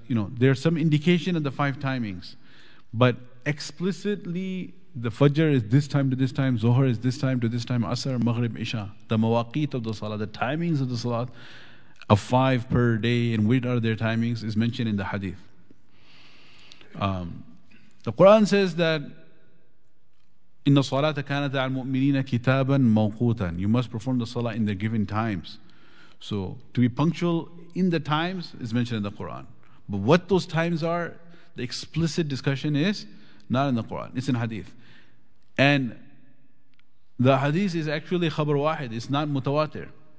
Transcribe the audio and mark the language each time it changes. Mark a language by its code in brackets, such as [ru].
[en] You know, there's some indication of the 5 timings, but explicitly the fajr is this time to this time, zuhr is this time to this time, asr, maghrib, isha, the mawaqit of the salah, the timings of the salat of 5 per day, and what are their timings, is mentioned in the hadith. The Quran says that [ar] إن الصلاة كانت على المؤمنين كتابا موقوتا. [en] You must perform the salah in the given times. So to be punctual in the times is mentioned in the Quran. But what those times are, the explicit discussion is not in the Quran. It's in hadith. And the hadith is actually khabar wahid. It's not mutawatir.